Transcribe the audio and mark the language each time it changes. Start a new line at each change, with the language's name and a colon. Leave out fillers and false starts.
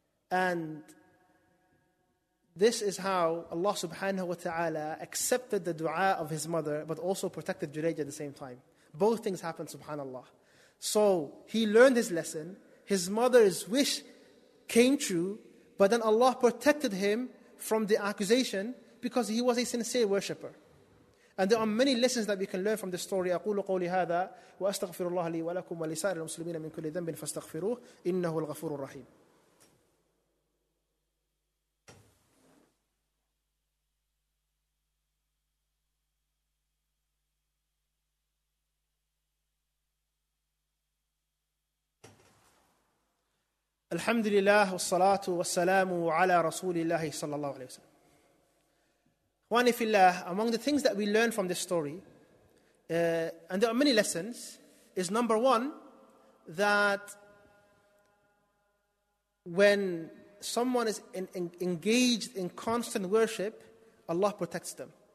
English: And this is how Allah subhanahu wa ta'ala accepted the dua of his mother, but also protected Jurayj at the same time. Both things happened, subhanallah. So he learned his lesson. His mother's wish came true, but then Allah protected him from the accusation because he was a sincere worshipper. And there are many lessons that we can learn from this story.
Arabic: أقول قولي هذا وأستغفر الله لي ولكم ولسائر المسلمين من كل ذنب فاستغفروه إنه الغفور الرحيم. الحمد لله والصلاة والسلام على رسول الله صلى الله عليه وسلم.
English: One, if Allah, among the things that we learn from this story, and there are many lessons, is number one, that when someone is engaged in constant worship, Allah protects them.